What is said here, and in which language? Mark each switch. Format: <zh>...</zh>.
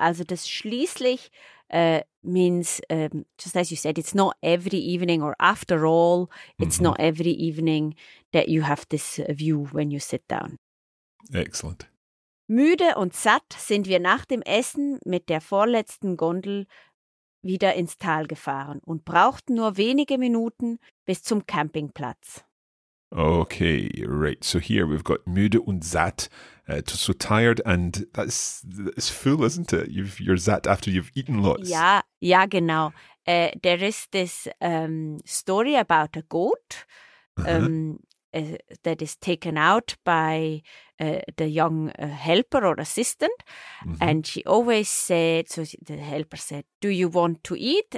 <de>Also das</de> <en>schließlich means, just as you said, it's not every evening or after all, it's not every evening that you have this view when you sit down. Excellent.</en> <de>Müde und satt sind wir nach dem Essen mit der vorletzten Gondel wieder ins Tal gefahren und brauchten nur wenige Minuten bis zum Campingplatz.</de> <en>Okay, right. So here we've got</en> <de>müde und satt,</de> <en>so tired, and that's full, isn't it? You're satt after you've eaten lots.</en> <de>Ja, ja, genau.</de> <en>There is this story about a goat that is taken out by the young helper or assistant, and she always said, so the helper said, "Do you want to eat?"</en>